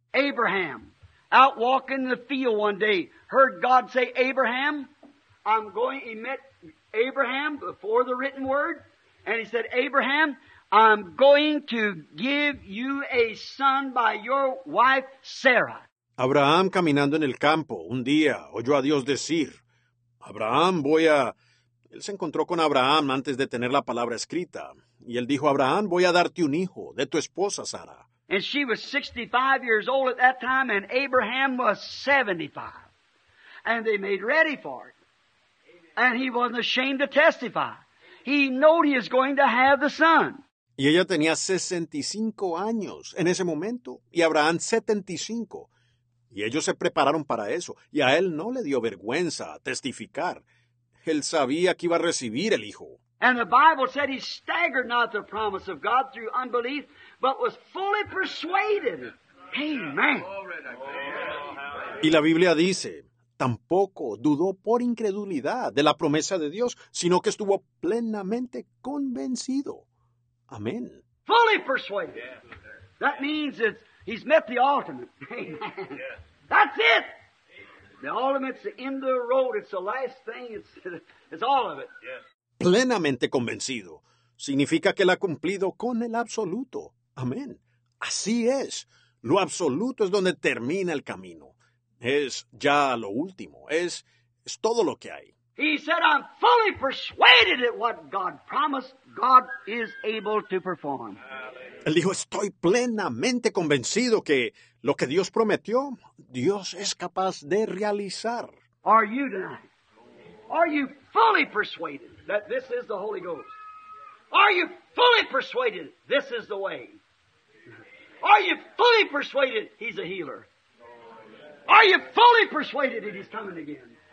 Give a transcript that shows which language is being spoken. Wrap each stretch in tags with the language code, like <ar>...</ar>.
<en>Abraham, out walking in the field one day, heard God say, Abraham, I'm going, he met Abraham before the written word, and he said, Abraham, I'm going to give you a son by your wife, Sarah.</en> <es>Abraham, caminando en el campo, un día, oyó a Dios decir, Abraham, voy a... Él se encontró con Abraham antes de tener la palabra escrita. Y él dijo, Abraham, voy a darte un hijo de tu esposa, Sara.</es> <en>And she was 65 years old at that time, and Abraham was 75. And they made ready for it. And he wasn't ashamed to testify. He knew he was going to have the son.</en> <es>Y ella tenía 65 años en ese momento, y Abraham 75. Y ellos se prepararon para eso, y a él no le dio vergüenza testificar. Él sabía que iba a recibir el hijo.</es> <en>And the Bible said he staggered not the promise of God through unbelief, but was fully persuaded. Amen.</en> <es>Y la Biblia dice, tampoco dudó por incredulidad de la promesa de Dios, sino que estuvo plenamente convencido. Amén.</es> <en>Fully persuaded. That means that he's met the ultimate. That's it. The ultimate's the end of the road. It's the last thing. It's all of it.</en> <es>Plenamente convencido. Significa que él ha cumplido con el absoluto. Amén. Así es. Lo absoluto es donde termina el camino. Es ya lo último. Es todo lo que hay.</es> <en>He said, I'm fully persuaded that what God promised, God is able to perform.</en> <es>Él dijo, estoy plenamente convencido que lo que Dios prometió, Dios es capaz de realizar.</es> <en>Are you tonight? Are you fully persuaded that this is the Holy Ghost? Are you fully persuaded this is the way? Are you fully persuaded he's a healer? Are you fully persuaded that he's coming again?</en>